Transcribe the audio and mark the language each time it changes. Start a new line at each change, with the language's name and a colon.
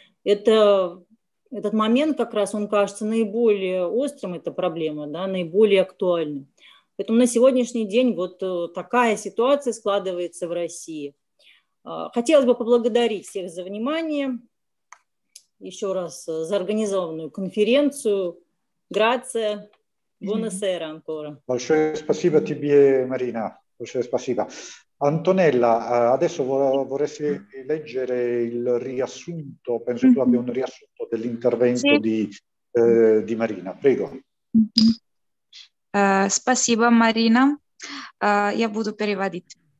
Russian: Этот момент как раз, он кажется наиболее острым, эта проблема, да, наиболее актуальным. Поэтому на сегодняшний день вот такая ситуация складывается в России. Хотелось бы поблагодарить всех за внимание, еще раз за организованную конференцию.
Italian: Grazie, buona sera ancora.
Russian: Большое спасибо тебе, Марина. Большое спасибо.
Italian: Antonella, adesso vorresti leggere il riassunto, penso tu abbia un riassunto dell'intervento di Marina. Prego.
Russian: Спасибо, Марина. Я буду переводити.